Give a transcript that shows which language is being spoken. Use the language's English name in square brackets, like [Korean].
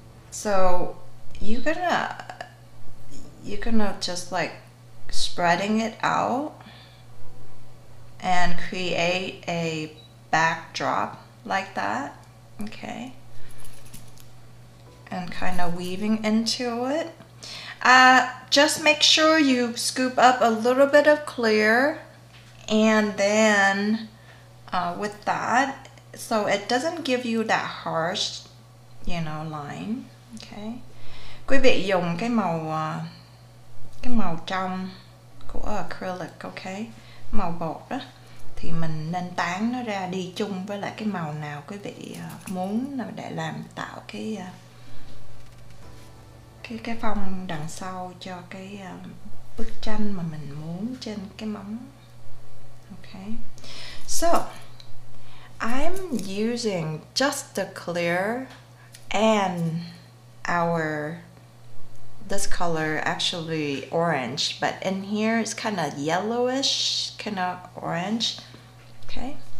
[English] so you're gonna just like spreading it out and create a backdrop like that, okay, and kind of weaving into it. Just make sure you scoop up a little bit of clear. And then with that, so it doesn't give you that harsh, you know, line, okay. [Vietnamese] Quý vị dùng cái màu trong của acrylic, okay, màu bột đó, thì mình nên tán nó ra đi chung với lại cái màu nào quý vị muốn để làm tạo cái phong đằng sau cho cái bức tranh mà mình muốn trên cái móng. [English] Okay, so I'm using just the clear and our this color actually orange, but in here it's kind of yellowish, kind of orange. Okay.